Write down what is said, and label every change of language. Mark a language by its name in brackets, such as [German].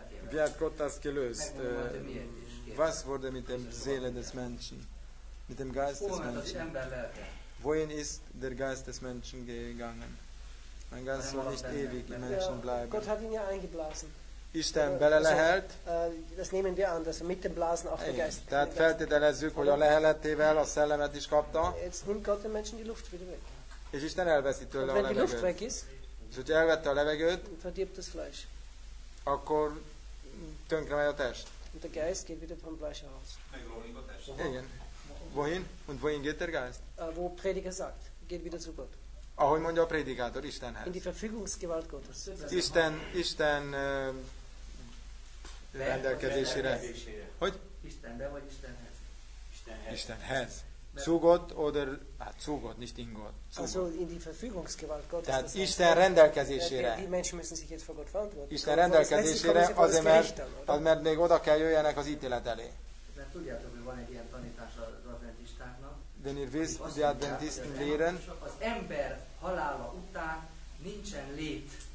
[German] Wie hat Gott das gelöst? Was wurde mit dem Seele des Menschen? Mit dem Geist des Menschen? Wohin ist der Geist des Menschen gegangen? Mein Geist soll nicht ewig im Menschen bleiben. Gott hat ihn ja eingeblasen. Ist er ein Belelehelt? Das nehmen wir an, dass er mit dem Blasen auch den Geist. [Hungarian] Tehát feltételezzük, hogy a lehelettével a szellemet is kapta. [German] Jetzt nimmt Gott den Menschen die Luft wieder weg. [Hungarian] És Isten elveszi tőle a levegőt. [German] Wenn die Luft weg ist, [Hungarian] és hogyha elvette a levegőt, [German] verdirbt das Fleisch. [Hungarian] Akkor tönkre megy a test. [German] Und der Geist geht wieder vom Fleisch aus. [Hungarian] Igen. [German] Wohin? Und wohin geht der Geist? Wo Prediger sagt, geht wieder zu Gott. [Hungarian] Ahogy mondja a prédikátor, Istenhez. [German] In die Verfügungsgewalt Gottes. [Hungarian] Isten rendelkezésére. Hogy? Istenbe vagy Istenhez? Istenhez. [German] Zu Gott oder, hát zu Gott, nicht in Gott. Also in die Verfügungsgewalt Gottes. [Hungarian] Tehát Isten rendelkezésére. [German] Die Menschen müssen sich jetzt vor Gott verantworten. [Hungarian] Isten rendelkezésére, azért mert még oda kell jöjjenek az ítélet elé. Mert tudjátok, hogy van egy ilyen tanítás az adventistáknak. [German] De ihr wisst, die Adventisten lehren. [Hungarian] Az ember halála után nincsen lét.